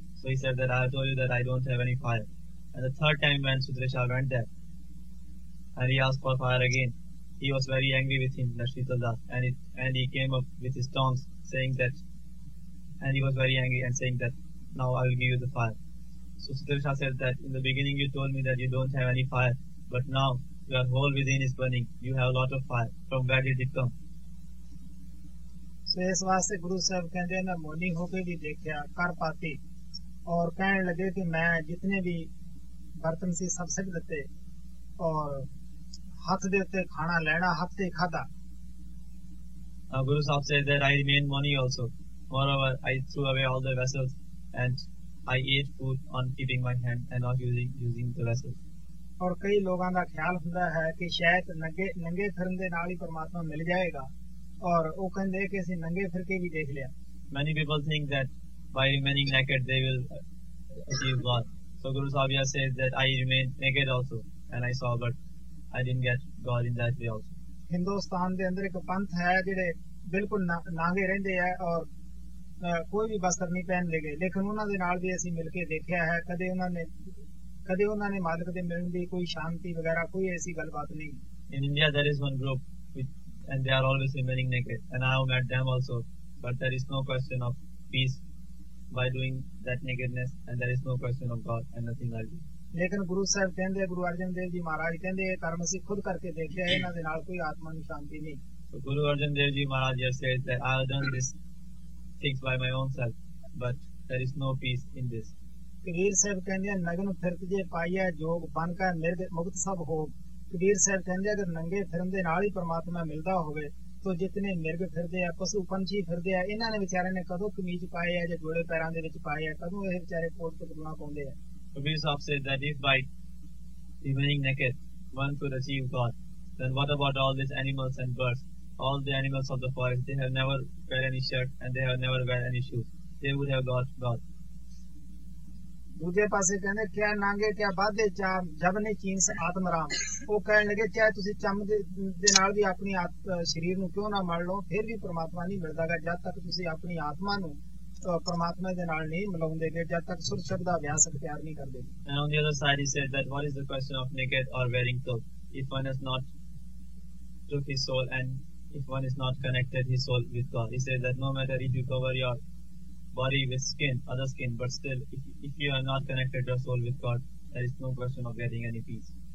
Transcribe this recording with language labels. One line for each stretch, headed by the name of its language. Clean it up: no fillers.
English: So he said that, "I have told you that I don't have any fire." And the third time when Sutre Shah went there and he asked for fire again, he was very angry with him, that Sheetal Das, and he came up with his tongs saying that, and he was very angry and saying that, "Now I will give you the fire." So Sutre Shah said that, "In the beginning you told me that you don't have any fire, but now your whole within is burning. You have a lot of fire. From where did it come?"
Punjabi: So ਇਸ ਵਾਸਤੇ ਗੁਰੂ ਸਾਹਿਬ ਕਹਿੰਦੇ, ਮੈਂ ਮੋਨੀ ਹੋ ਕੇ ਵੀ ਦੇਖਿਆ ਕਰ ਪਾਤੀ ਔਰ ਕਹਿਣ ਲੱਗੇ ਕਿ ਮੈਂ ਜਿਤਨੇ ਵੀ ਬਰਤਨ ਸੀ ਸਭ ਸਿੱਟ ਦਿੱਤੇ ਔਰ ਹੱਥ ਦੇ ਉੱਤੇ ਖਾਣਾ ਲੈਣਾ ਹੱਥ ਤੇ ਖਾਧਾ।
English: Guru Sahib said that, "I remained money also. Moreover, I threw away all the vessels and I ate food on keeping my hand and not using the vessels."
Punjabi: ਔਰ ਕਈ ਲੋਕਾਂ ਦਾ ਖਿਆਲ ਹੁੰਦਾ ਹੈ ਕਿ ਸ਼ਾਇਦ ਨੰਗੇ ਫਿਰਨ ਦੇ ਨਾਲ ਹੀ ਪਰਮਾਤਮਾ ਮਿਲ ਜਾਏਗਾ ਔਰ ਉਹ ਕਹਿੰਦੇ ਕਿ ਅਸੀਂ ਨੰਗੇ ਫਿਰ ਕੇ ਵੀ ਦੇਖ ਲਿਆ।
English: Many people think that by remaining naked they will achieve God. So Guru Sabya says that, "I remained naked also and I saw, but I didn't get God in that way also."
Punjabi: Hindustan ਦੇ ਅੰਦਰ ਇੱਕ ਪੰਥ ਹੈ ਜਿਹੜੇ ਬਿਲਕੁਲ ਨਾਂਗੇ ਰਹਿੰਦੇ ਆ ਔਰ ਕੋਈ ਵੀ ਵਸਤਰ ਨਹੀਂ ਪਹਿਨ ਲੈ ਗਏ, ਲੇਕਿਨ ਉਹਨਾਂ ਦੇ ਨਾਲ ਵੀ ਅਸੀਂ ਮਿਲ ਕੇ ਦੇਖਿਆ ਹੈ। ਕਦੇ ਉਹਨਾਂ ਨੇ ਮਾਲਕ ਦੇ ਮਿਲਣ ਦੀ ਕੋਈ ਸ਼ਾਂਤੀ ਵਗੈਰਾ ਕੋਈ ਐਸੀ ਗੱਲਬਾਤ ਨਹੀਂ।
English: In India there is one group which, and they are always remaining naked, and I have met them also, but there is no question of peace by doing that nakedness, and there is no question of God and nothing like that.
Punjabi: ਲੇਕਿਨ ਗੁਰੂ ਸਾਹਿਬ ਕਹਿੰਦੇ, ਗੁਰੂ ਅਰਜਨ ਦੇਵ ਜੀ ਮਹਾਰਾਜ ਕਹਿੰਦੇ, ਇਹ ਕਰਮ ਅਸੀਂ ਖੁਦ ਕਰਕੇ ਦੇਖਿਆ, ਇਹਨਾਂ ਦੇ ਨਾਲ ਕੋਈ ਆਤਮਾ ਨੂੰ ਸ਼ਾਂਤੀ ਨਹੀਂ।
English: So Guru Arjan Dev Ji Maharaj here says that, "I have done this things by my own self, but there is no peace in this."
Punjabi: Kabir Sahib ਕਹਿੰਦੇ, "ਨਗਨ ਫਿਰਤ ਜੇ ਪਾਈਆ ਜੋਗ ਬਨ ਕਾ ਨਿਰਗ ਮੁਕਤ ਸਭ ਹੋ।" ਕਬੀਰ ਸਾਹਿਬ ਕਹਿੰਦੇ, ਅਗਰ ਨੰਗੇ ਫਿਰਨ ਦੇ ਨਾਲ ਹੀ ਪਰਮਾਤਮਾ ਮਿਲਦਾ ਹੋਵੇ ਤਾਂ ਜਿਤਨੇ ਮਿਰਗ ਫਿਰਦੇ ਆ, ਪਸ਼ੂ ਪੰਛੀ ਫਿਰਦੇ ਆ, ਇਹਨਾਂ ਨੇ ਵਿਚਾਰਿਆਂ ਨੇ ਕਦੋਂ ਕਮੀਜ਼ ਪਾਏ ਆ ਜਾਂ ਜੋੜੇ ਪੈਰਾਂ ਦੇ ਵਿੱਚ ਪਾਏ ਆ, ਕਦੋਂ ਇਹ ਵਿਚਾਰੇ ਕੋਟ ਪਤਲਾ ਪਾਉਂਦੇ ਆ।
English: Kabir Sahib says that is by remaining naked one could achieve God, then what about all these animals and birds, all the animals of the forest, they have never wear any shirt and they have never wear any shoes, they would have got God.
Punjabi: ਦੂਜੇ ਪਾਸੇ ਕਹਿੰਦੇ, "ਕਿਆ ਨਾਂਗੇ ਕਿਆ ਬਾਧੇ charm ਜਬ ਨੇ ਚੀਨ ਸੇ ਆਤਮ ਰਾਮ।" ਉਹ ਕਹਿਣ ਲੱਗੇ, "ਚਾਹੇ ਤੁਸੀਂ ਚੰਮ ਦੇ ਨਾਲ ਵੀ ਆਪਣੀ ਸਰੀਰ ਨੂੰ ਕਿਉਂ ਨਾ ਮੜ ਲਓ, ਫਿਰ ਵੀ ਪਰਮਾਤਮਾ ਨਹੀਂ ਮਿਲਦਾ ਗਾ ਜਦ ਤੱਕ ਤੁਸੀਂ ਆਪਣੀ ਆਤਮਾ ਨੂੰ ਪਰਮਾਤਮਾ ਦੇ ਨਾਲ ਨਹੀਂ ਮਿਲਾਉਂਦੇ ਗੇ, ਜਦ ਤੱਕ ਸੁਰ ਸ਼ਬਦ ਦਾ ਅਭਿਆਸ ਅਖਤਿਆਰ ਨਹੀਂ ਕਰਦੇ।
English: And on the other side he said that, "What is the question of naked or wearing clothes if one has not took his soul and if one is not connected his soul with God?" He said that, "No matter if you cover your body with skin, other skin, but still if you are not connected your soul with God, there is no question of getting any peace."